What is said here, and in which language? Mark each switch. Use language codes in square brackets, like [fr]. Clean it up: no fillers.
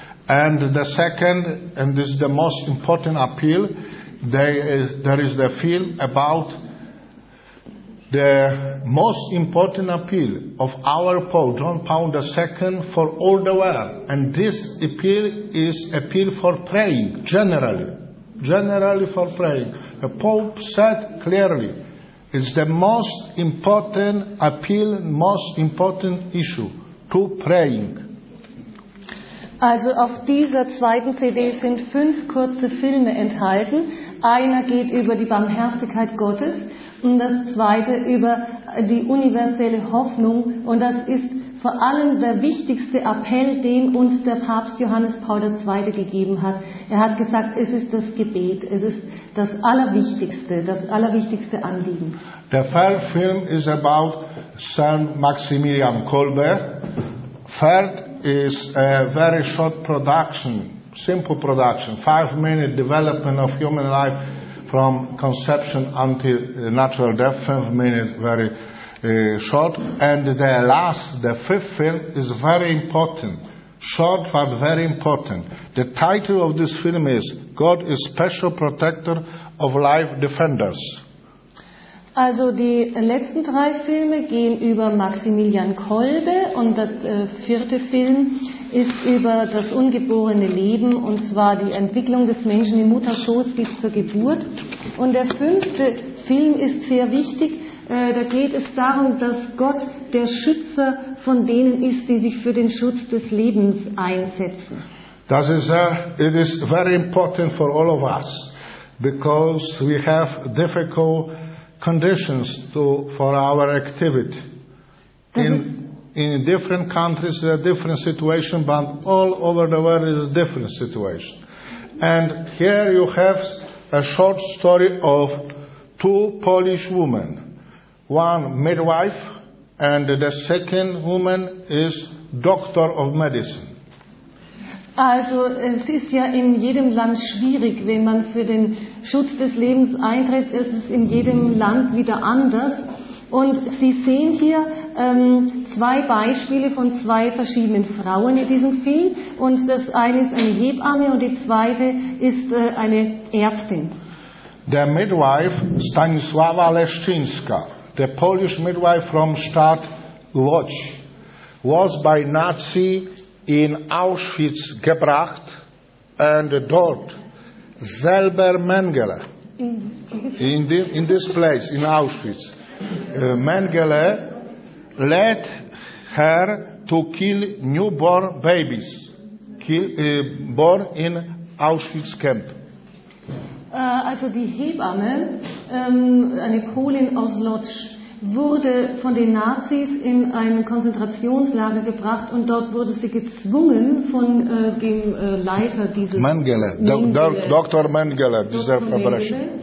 [en] And the second, and this is the most important appeal, there is the film about the most important appeal of our Pope, John Paul II, for all the world. And this appeal is appeal for praying, generally for praying. The Pope said clearly, it's the most important appeal, most important issue, to praying. [de] Also auf dieser zweiten CD sind 5 kurze Filme enthalten. Einer geht über die Barmherzigkeit Gottes und das zweite über die universelle Hoffnung. Und das ist vor allem der wichtigste Appell, den uns der Papst Johannes Paul II. Gegeben hat. Er hat gesagt, es ist das Gebet, es ist das allerwichtigste Anliegen. [en] Der third film is about St. Maximilian Kolbe. Third is a very short production, simple production, 5-minute development of human life, from conception until natural death, 5 minutes, very short. And the last, the fifth film, is very important. Short but very important. The title of this film is God is Special Protector of Life Defenders. [de] Also die letzten drei Filme gehen über Maximilian Kolbe und der vierte Film ist über das ungeborene Leben und zwar die Entwicklung des Menschen im Mutterschoß bis zur Geburt. Und der fünfte Film ist sehr wichtig, da geht es darum, dass Gott der Schützer von denen ist, die sich für den Schutz des Lebens einsetzen. Das ist [en] it is very important for all of us, because we have difficult conditions to for our activity. In different countries there are different situations, but all over the world is a different situation. And here you have a short story of two Polish women. One midwife and the second woman is doctor of medicine. [de] Also es ist ja in jedem Land schwierig, wenn man für den Schutz des Lebens eintritt, ist es in jedem Land wieder anders. Und Sie sehen hier zwei Beispiele von zwei verschiedenen Frauen in diesem Film. Und das eine ist eine Hebamme und die zweite ist eine Ärztin. [en] Der Midwife Stanisława Leszczyńska, the Polish midwife from Stadt Łódź, was by Nazi in Auschwitz [de] gebracht [en] and [de] dort selber [en] Mengele in this place in Auschwitz. Mengele led her to kill newborn babies born in Auschwitz camp. [de] Also die Hebamme, eine Polin aus Łódź, wurde von den Nazis in ein Konzentrationslager gebracht und dort wurde sie gezwungen von dem Leiter dieses Mengele, Dr. Mengele, dieser Verbrecher.